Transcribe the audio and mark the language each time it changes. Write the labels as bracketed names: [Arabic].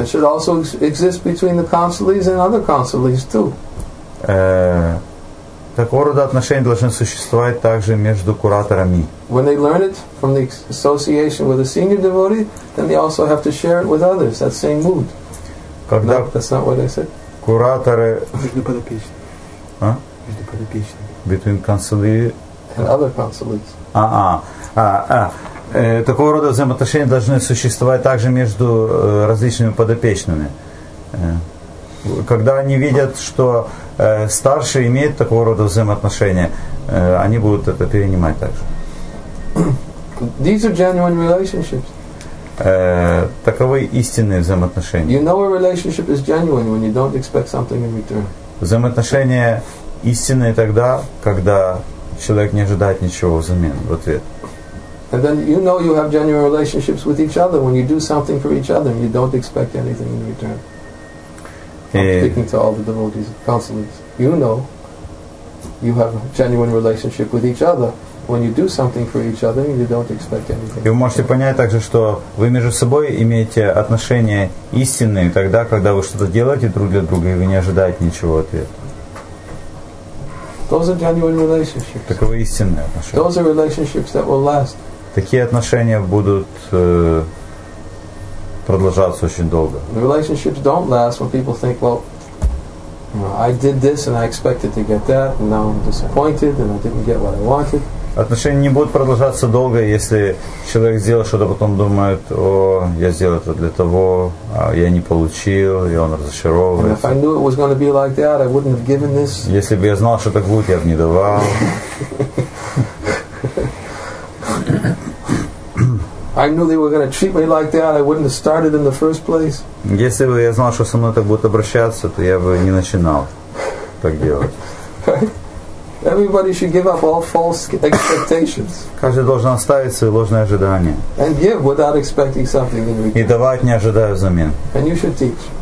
[English] That should also exist between the counselors and other counselors too. [Russian] Такого рода отношения должны существовать также между кураторами. [English] When they learn it from the association with a senior devotee, then they also have to share it with others. That same mood. [Russian] Когда [English] no, that's not what I said. [Russian] Кураторы. Между подопечными. А? Между подопечными. [English] Between counselors. And other counselors. [Russian] Такого рода взаимоотношения должны существовать также между различными подопечными. Когда они видят, что старший имеет такого рода взаимоотношения, они будут это перенимать также. [English] These are genuine relationships. [Russian] Таковы истинные взаимоотношения. [English] You know a relationship is genuine when you don't expect something in return. [Russian] Взаимоотношения истинные тогда, когда человек не ожидает ничего взамен в ответ. [English] And then you know you have genuine relationships with each other when you do something for each other and you don't expect anything in return. I'm speaking to all the devotees, counselors. You know you have a genuine relationship with each other when you do something for each other and you don't expect anything. [Russian] И вы можете понять также, что вы между собой имеете отношения истинные тогда, когда вы что-то делаете друг для друга и вы не ожидаете ничего в ответ. [English] Those are genuine relationships. [Russian] Таковы истинные отношения. [English] Those are relationships that will last. [Russian] Такие отношения будут продолжаться очень долго. [English] Relationships don't last when people think, well, I did this and I expected to get that, and now I'm disappointed and I didn't get what I wanted. [Russian] Отношения не будут продолжаться долго, если человек сделал что-то, потом думает, о, я сделал это для того, а я не получил, и он разочаровывается. [English] And if I knew it was going to be like that, I wouldn't have given this. [Russian] Если бы я знал, что так будет, я бы не давал. [English] I knew they were going to treat me like that, I wouldn't have started in the first place. [Russian] Если бы я знал, что со мной так будут обращаться, то я бы не начинал так делать. [English] Everybody should give up all false expectations. [Russian] Каждый должен оставить свои ложные ожидания. [English] And give without expecting something in return. [Russian] И давать, не ожидая взамен. [English] And you should teach.